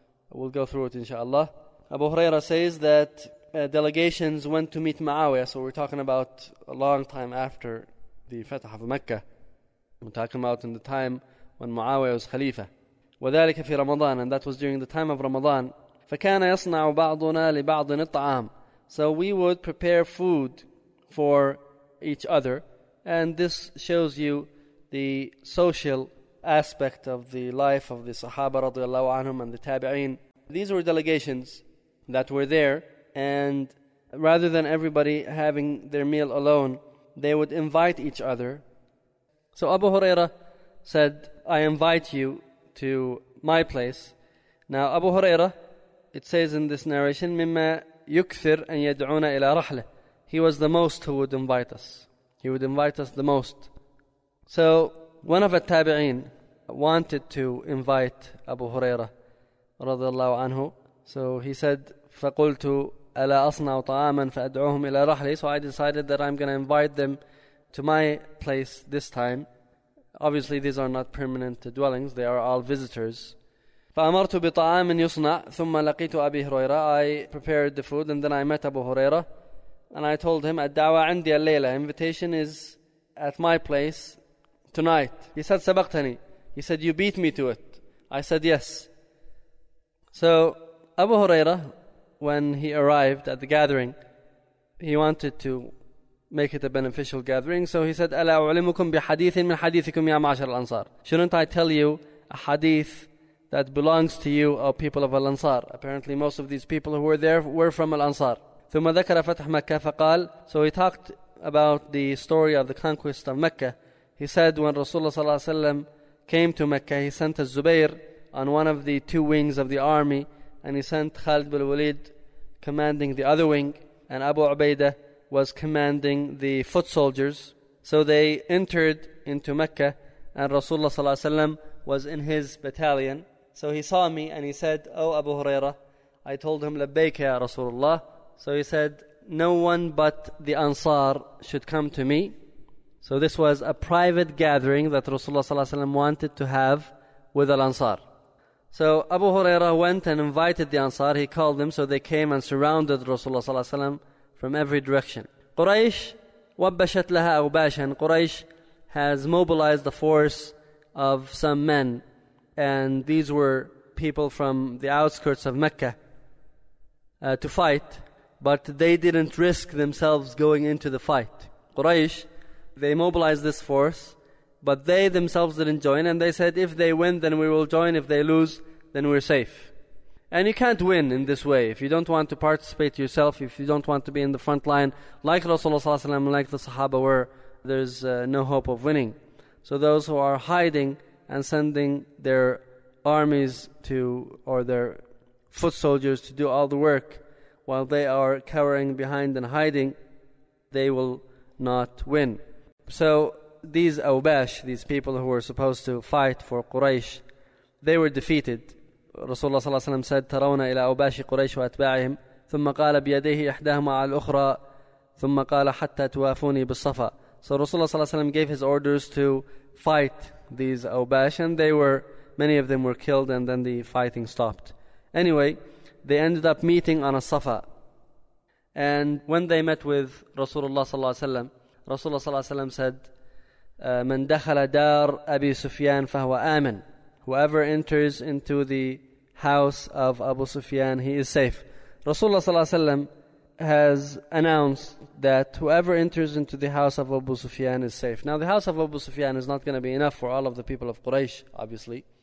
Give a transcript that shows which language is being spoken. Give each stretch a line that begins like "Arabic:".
English: We'll go through it inshallah. Abu Huraira says that delegations went to meet Muawiyah. So we're talking about a long time after the Fatah of Mecca. We're talking about in the time when Muawiyah was Khalifa.
Arabic: وذلك في رمضان,
English: and that was during the time of Ramadan.
Arabic: فكان يصنع بعضنا لبعض الطعام.
English: So we would prepare food for each other, and this shows you the social aspect of the life of the Sahaba رضي الله عنهم and the Tabi'in. These were delegations that were there, and rather than everybody having their meal alone, they would invite each other. So Abu Huraira said, I invite you to my place. Now Abu Huraira, it says in this narration,
Arabic: مِمَّا يُكْثِرْ أَن يَدْعُونَ إِلَى رَحْلَةٍ.
English: He was the most who would invite us. He would invite us the most. So one of the Tabi'een wanted to invite Abu Huraira رضي الله عنه. So he said,
Arabic: فَقُلْتُ أَلَا أَصْنَعُ طَعَامًا فَأَدْعُوهُمْ إِلَى رَحْلِي.
English: So I decided that I'm going to invite them to my place this time. Obviously, these are not permanent dwellings. They are all visitors.
Arabic: فَأَمَرْتُ بِطَعَامٍ يُصْنَعْ ثُمَّ لَقِيتُ أَبِي هُرَيْرَ.
English: I prepared the food and then I met Abu Huraira. And I told him,
Arabic: الدَّعْوَى عَنْدِيَ اللَّيْلَ.
English: Invitation is at my place tonight. He said,
Arabic: سَبَقْتَنِي.
English: He said, you beat me to it. I said, yes. So Abu Huraira, when he arrived at the gathering, he wanted to make it a beneficial gathering. So he said,
Arabic: أَلَا أُعْلِمُكُمْ بِحَدِيثٍ مِنْ حَدِيثِكُمْ يَا مَعْشَرَ الْأَنصَارِ.
English: Shouldn't I tell you a hadith that belongs to you, O people of Al-Ansar? Apparently most of these people who were there were from Al-Ansar.
Arabic: ثم ذكر فتح مكة فقال.
English: So he talked about the story of the conquest of Mecca. He said when Rasulullah صلى الله عليه وسلم came to Mecca, he sent Zubair on one of the two wings of the army, and he sent Khalid bin Walid commanding the other wing, and Abu Ubaidah was commanding the foot soldiers. So they entered into Mecca, and Rasulullah صلى الله عليه وسلم was in his battalion. So he saw me and he said, oh Abu Huraira, I told him,
Arabic: لبيك يا رسول الله.
English: So he said, no one but the Ansar should come to me. So this was a private gathering that Rasulullah صلى الله عليه وسلم wanted to have with Al-Ansar. So Abu Huraira went and invited the Ansar. He called them, so they came and surrounded Rasulullah صلى الله عليه وسلم from every direction.
Arabic: Quraysh وبشت لها أوباشا.
English: Quraysh has mobilized the force of some men, and these were people from the outskirts of Mecca to fight. But they didn't risk themselves going into the fight. Quraysh, they mobilized this force, but they themselves didn't join. And they said, if they win, then we will join. If they lose, then we're safe. And you can't win in this way. If you don't want to participate yourself, if you don't want to be in the front line, like Rasulullah ﷺ, like the Sahaba were, there's no hope of winning. So those who are hiding and sending their armies to, or their foot soldiers to do all the work, while they are cowering behind and hiding, they will not win. So these Awbash, these people who were supposed to fight for Quraysh, they were defeated.
Arabic: Rasulullah صلى الله عليه وسلم
English: said,
Arabic: تَرَوْنَا إِلَىٰ أَوْبَاشِ قُرَيْشِ وَأَتْبَاعِهِمْ ثُمَّ قَالَ بِيَدَيْهِ إِحْدَاهُمَا عَلَى الْأُخْرَىٰ ثُمَّ قَالَ حَتَّى تُوَافُونِي بِالصَّفَىٰ.
English: So Rasulullah صلى الله عليه وسلم gave his orders to fight these Awbash, and they were, many of them were killed, and then the fighting stopped. Anyway, they ended up meeting on a Safa. And when they met with Rasulullah صلى الله عليه وسلم, Rasulullah صلى الله عليه وسلم said,
Arabic: مَنْ دَخَلَ دَارْ أَبِي سُفْيَانْ فَهُوَ آمِنْ.
English: Whoever enters into the house of Abu Sufyan, he is safe. Rasulullah صلى الله عليه وسلم has announced that whoever enters into the house of Abu Sufyan is safe. Now the house of Abu Sufyan is not going to be enough for all of the people of Quraysh, obviously.